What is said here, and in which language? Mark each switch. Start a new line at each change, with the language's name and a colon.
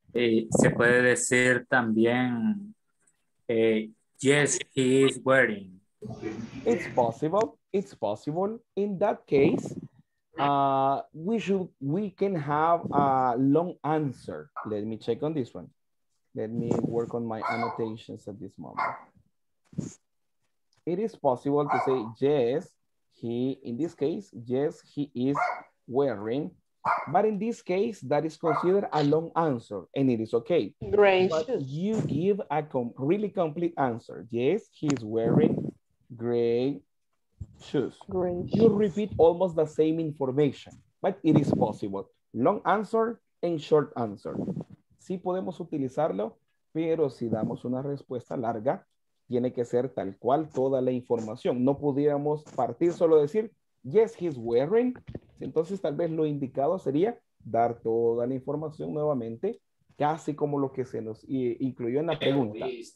Spanish: Se puede decir también,
English: yes, he is wearing. It's possible. In that case, we can have a long answer. Let me check on this one. Let me work on my annotations at this moment. It is possible to say, yes, he is wearing. But in this case, that is considered a long answer, and it is okay. Gray shoes. But you give a really complete answer. Yes, he is wearing gray shoes. You repeat almost the same information, but it is possible. Long answer and short answer.
Spanish: Sí podemos utilizarlo, pero si damos una respuesta larga, tiene que ser tal cual toda la información. No pudiéramos partir solo decir,
English: yes, he's wearing.
Spanish: Entonces, tal vez lo indicado sería dar toda la información nuevamente, casi como lo que se nos incluyó en la pregunta.